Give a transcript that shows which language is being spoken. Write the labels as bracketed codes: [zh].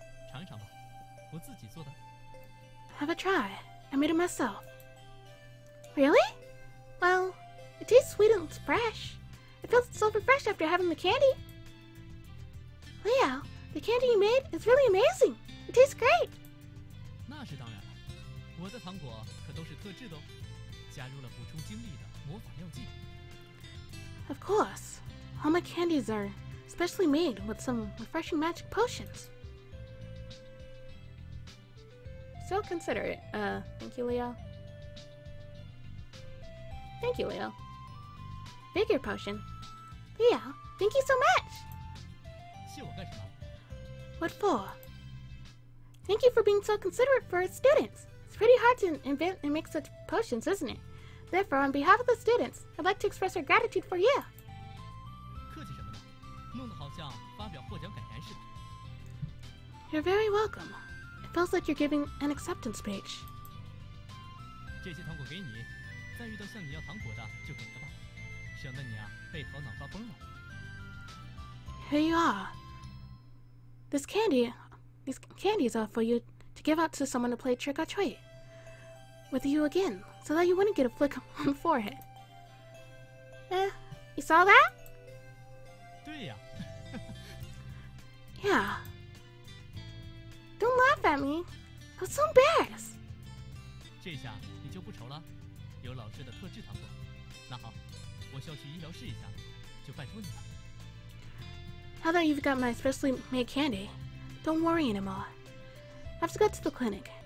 [zh] 尝一尝吧，我自己做的。 [en] Have a try. I made it myself. Really? Well, it tastes sweet and it's fresh. It feels so refreshed after having the candy. Leia, the candy you made is really amazing. It tastes great. [zh] 那是当然了，我的糖果可都是特制的哦，加入了补充精力的魔法药剂。 [en] Of course, all my candies are specially made with some refreshing magic potions. So considerate. Thank you, Leo. Thank you, Leo. Vigor potion. Leo, thank you so much! What for? Thank you for being so considerate for students. It's pretty hard to invent and make such potions, isn't it? Therefore, on behalf of the students, I'd like to express our gratitude for you. [zh] 客气什么呢？弄得好像发表获奖感言似的。 [en] You're very welcome. Feels like you're giving an acceptance speech. [zh] 这些糖果给你，再遇到向你要糖果的就给了吧，省得你啊被头脑发崩了。 [en] Here you are. These candies are for you to give out to someone to play trick or treat with you again, so that you wouldn't get a flick on the forehead. You saw that? [zh] 对呀。 [en] Yeah. Don't laugh at me. I'm so embarrassed. [zh] 这下你就不愁了，有老师的特制糖果。那好，我需要去医疗室一下，就拜托你了。 [en] Now that you've got my specially made candy, don't worry anymore. I have to go to the clinic.